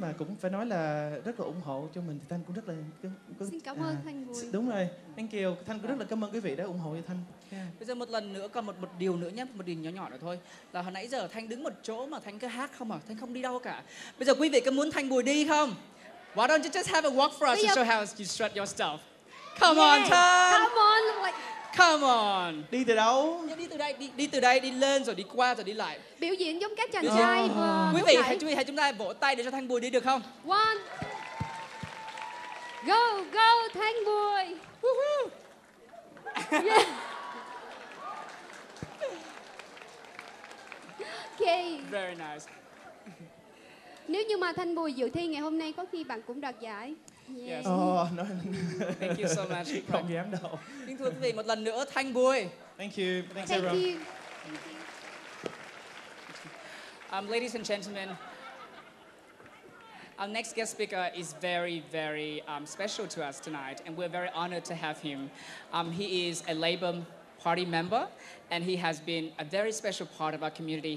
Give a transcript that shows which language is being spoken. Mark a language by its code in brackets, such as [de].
[vi] Mà cũng phải nói là rất là ủng hộ cho mình. Thì Thanh cũng rất là... Xin cảm ơn Thanh Bùi. Đúng rồi, [en] thank you. [vi] Thanh cũng rất là cảm ơn quý vị đã ủng hộ cho Thanh. Bây giờ một lần nữa, còn một điều nữa nhé. Một điều nhỏ nhỏ nữa thôi. Là hồi nãy giờ Thanh đứng một chỗ mà Thanh cứ hát không à. Thanh không đi đâu cả. Bây giờ quý vị có muốn Thanh Bùi đi không? [en] Why don't you just have a walk for us to show how you strut your stuff? Come on, Thanh. Come on, come on. [vi] Đi từ đâu? Đi từ đây, đi từ đây, đi lên rồi đi qua rồi đi lại. Biểu diễn giống các chàng trai. Quý vị, hãy chú ý, hãy chúng ta vỗ tay để cho Thanh Bùi đi được không? [en] One. Go, go, Thanh Bùi. Okay. Very nice. [vi] Nếu như mà Thanh Bùi dự thi ngày hôm nay, có khi bạn cũng đoạt giải. [en] Yes. Oh, no. Thank you so much. [vi] Không dám đâu. Kính thưa quý vị, một lần nữa Thanh Bùi. [en] Thank you. Thanks, thank everyone. You. Ladies and gentlemen, our next guest speaker is very, very special to us tonight, and we're very honored to have him. He is a Labour Party member, and he has been a very special part of our community.